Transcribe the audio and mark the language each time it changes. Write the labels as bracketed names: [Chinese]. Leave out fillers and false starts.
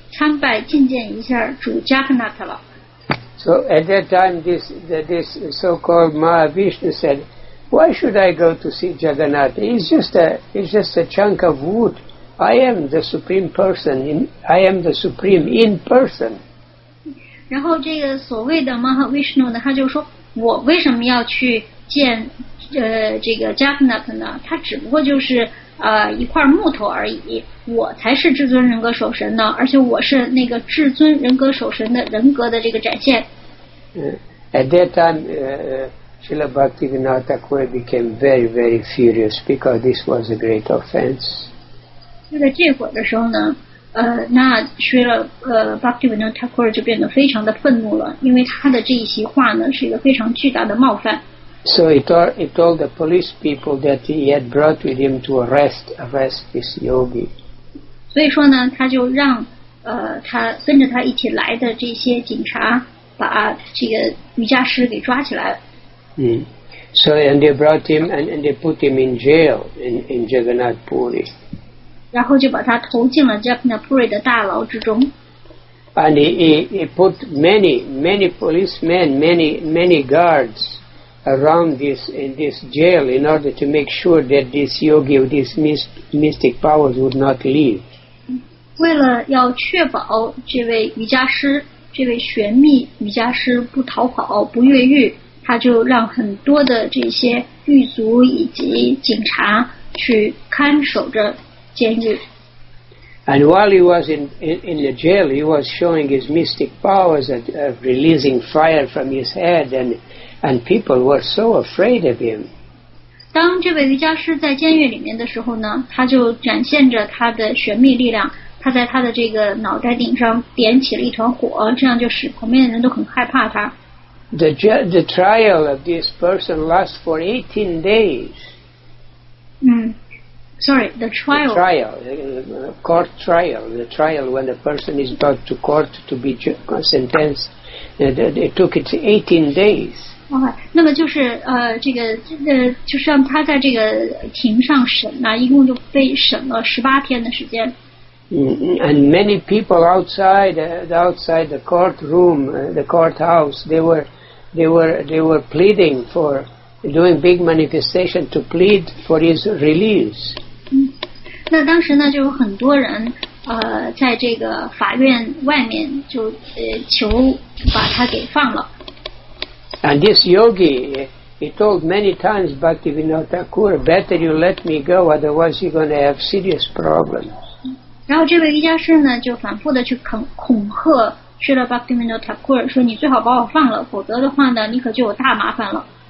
[Chinese] 参拜觐见一下主迦克纳特了。 [English] So at that time, this so-called Mahavishnu said, "Why should I go to see Jagannath? It's just a chunk of wood. I am the supreme in person." [Chinese] 然后这个所谓的 Mahavishnu 呢，他就说，我为什么要去见这个 Jagannath 呢？他只不过就是一块木头而已。我才是至尊人格守神呢，而且我是那个至尊人格守神的人格的这个展现。 [English] At that time, Srila Bhaktivinoda Thakur became very, very furious because this was a great offense. [Chinese] 就在这会儿的时候呢，那 Srila Bhaktivinoda Thakur 就变得非常的愤怒了，因为他的这一席话呢是一个非常巨大的冒犯。 [English] So he told the police people that he had brought with him to arrest this yogi. [Chinese] 所以说呢，他就让他跟着他一起来的这些警察把这个瑜伽师给抓起来了。 [English] So and they brought him and they put him in jail in Jagannath Puri. [Chinese] 然后就把他投进了 Jagannath Puri 的大牢之中。 [English] And he put many policemen, many guards. Around this jail in order to make sure that this yogi with his mystic powers would not leave. [Chinese] 为了要确保这位瑜伽师，这位玄秘瑜伽师不逃跑，不越狱，他就让很多的这些狱卒以及警察去看守着监狱。 [English] And while he was in the jail, he was showing his mystic powers of releasing fire from his head and people were so afraid of him. [Chinese] 当这位瑜伽师在监狱里面的时候呢，他就展现着他的玄秘力量，他在他的这个脑袋顶上点起了一团火，这样就使旁边的人都很害怕他。 [English] The trial of this person lasts for 18 days. The trial when the person is brought to court to be sentenced, it took its 18 days. [Chinese] 那么就是就是让他在这个庭上审呢，一共就被审了18天的时间。 [English] And many people outside the courtroom, the courthouse, they were pleading for doing big manifestation to plead for his release. [Chinese] 那当时呢，就有很多人在这个法院外面就求把他给放了。 [English] And this yogi, he told many times Bhaktivinoda Thakur, better you let me go, otherwise you're going to have serious problems. [Chinese] 然后这位瑜伽师呢，就反复的去恐吓Srila Bhaktivinoda Thakur，说你最好把我放了，否则的话呢，你可就有大麻烦了。